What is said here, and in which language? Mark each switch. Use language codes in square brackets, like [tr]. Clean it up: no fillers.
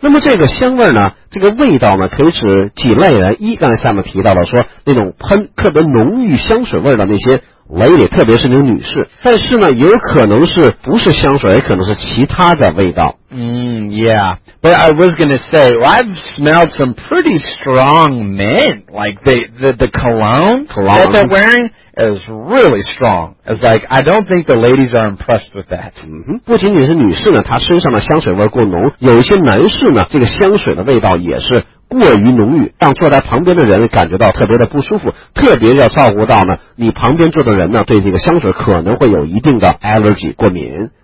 [zh] 那么这个香味呢，这个味道呢可以指几类人，一刚才下面提到了说那种喷特别浓郁香水味的那些 lady， 特别是那种女士，但是呢有可能是不是香水，也可能是其他的味道。 [en] Yeah, but I was going to say, well, I've smelled some pretty strong men, like the cologne that they're wearing is really strong. It's like, I don't think the ladies are impressed with that. [zh] 不仅仅是女士呢，她身上的香水味过浓，有一些男士呢，这个香水的味道也是过于浓郁，让坐在旁边的人感觉到特别的不舒服，特别要照顾到呢，你旁边坐的人呢，对这个香水可能会有一定的 allergy 过敏。